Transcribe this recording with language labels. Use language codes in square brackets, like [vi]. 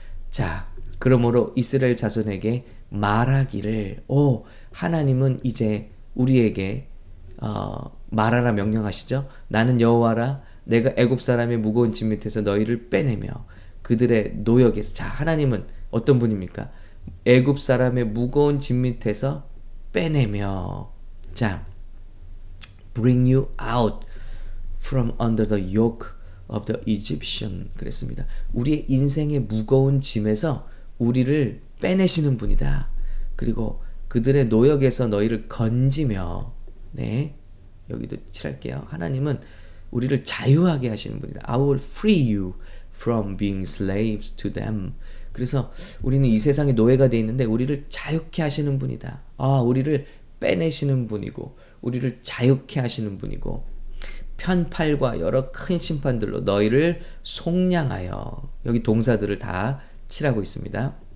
[ko] 자, 그러므로 이스라엘 자손에게 말하기를, 하나님은 이제 우리에게 말하라 명령하시죠. 나는 여호와라. 내가 애굽 사람의 무거운 짐 밑에서 너희를 빼내며 그들의 노역에서. 자, 하나님은 어떤 분입니까? 애굽 사람의 무거운 짐 밑에서 빼내며. [en] 자, bring you out from under the yoke of the Egyptian. [ko] 그랬습니다. 우리의 인생의 무거운 짐에서 우리를 빼내시는 분이다. 그리고 그들의 노역에서 너희를 건지며. 네, 여기도 칠할게요. 하나님은 우리를 자유하게 하시는 분이다. [en] I will free you from being slaves to them. [ko] 그래서 우리는 이 세상에 노예가 되어 있는데 우리를 자유케 하시는 분이다. 우리를 빼내시는 분이고 우리를 자유케 하시는 분이고 편팔과 여러 큰 심판들로 너희를 속량하여. 여기 동사들을 다 칠하고 있습니다.